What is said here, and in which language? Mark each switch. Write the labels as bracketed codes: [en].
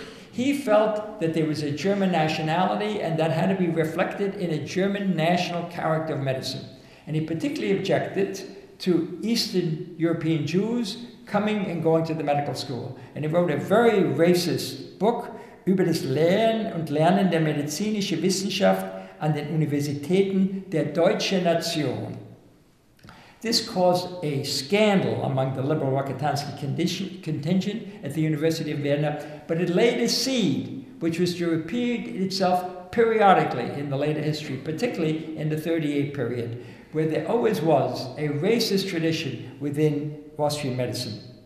[en] He felt that there was a German nationality and that had to be reflected in a German national character of medicine. And he particularly objected to Eastern European Jews coming and going to the medical school. And he wrote a very racist book, [de] über das Lehren und Lernen der medizinischen Wissenschaft an den Universitäten der deutschen Nation. [en] This caused a scandal among the liberal Rokitansky contingent at the University of Vienna, but it laid a seed which was to repeat itself periodically in the later history, particularly in the 38 period, where there always was a racist tradition within Austrian medicine.